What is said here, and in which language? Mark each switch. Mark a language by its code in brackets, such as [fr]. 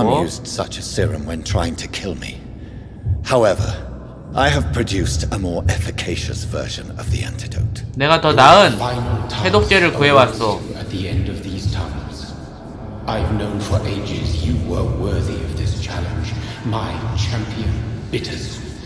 [en] McCallum used such a serum when trying to kill me. However, I have produced a more efficacious version of the antidote. [ko] 내가 더 나은 해독제를 구해왔어. [en] At the end of these tunnels, I've known for ages you were worthy of this challenge, my champion, Bittersweet.